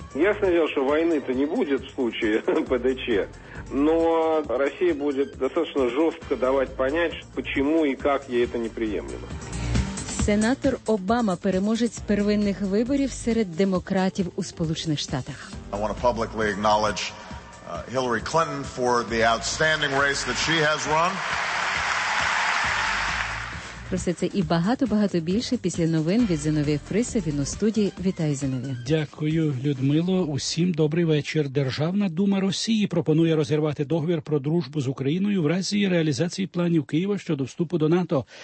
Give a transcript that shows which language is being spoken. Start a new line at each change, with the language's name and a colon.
Ukrainian: Ясно, що війни то не буде
Russian: в случае
Ukrainian: ПДЧ, но Росія буде достатньо жорстко давати понять, чому і як їй це неприємливо. Сенатор Обама – переможець первинних виборів серед демократів у Сполучених Штатах.
English: I want to publicly acknowledge Hillary Clinton for the outstanding race that she has run.
Ukrainian: Про все це і багато-багато більше після новин від Зіновія Фриса. Він у студії. Вітаю, Зіновія. Дякую, Людмило. Усім добрий вечір. Державна Дума Росії пропонує розірвати договір про дружбу з Україною в разі реалізації планів Києва щодо вступу до НАТО.